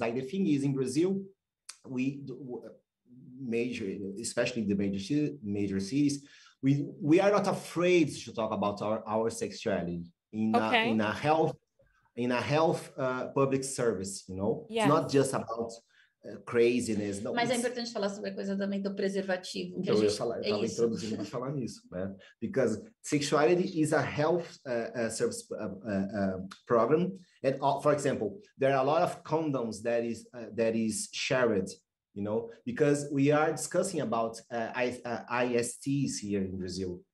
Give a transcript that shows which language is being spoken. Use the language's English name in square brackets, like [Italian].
[English] Like the thing is, in Brazil, we major, especially the major cities, we are not afraid to talk about our sexuality in a health public service. You know, yes. It's not just about craziness. No, [Portuguese] mas é importante falar sobre a coisa também do preservativo. Que então a eu ia falar, eu é tava isso. Introduzindo para falar nisso, né? [English] Because sexuality is a health service program, and for example, there are a lot of condoms that is shared, you know, because we are discussing about ISTs here in Brazil.